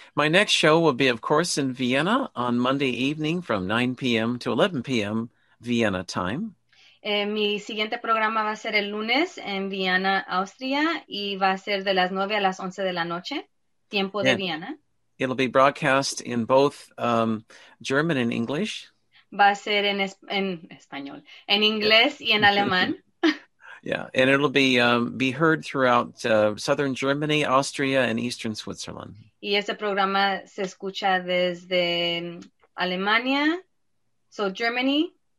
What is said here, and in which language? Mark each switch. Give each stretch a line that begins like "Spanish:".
English: My next show will be, of course, in Vienna on Monday evening from 9 p.m. to 11 p.m. Vienna time.
Spanish: Mi siguiente programa va a ser el lunes en Vienna, Austria, y va a ser de las 9 a las 11 de la noche, tiempo de Vienna.
English: It'll be broadcast in both German and English.
Spanish: Va a ser en español, en inglés y en alemán.
English: Yeah, and it'll be heard throughout southern Germany, Austria, and eastern Switzerland.
Spanish: Y ese programa se escucha desde Alemania,
English: so Germany.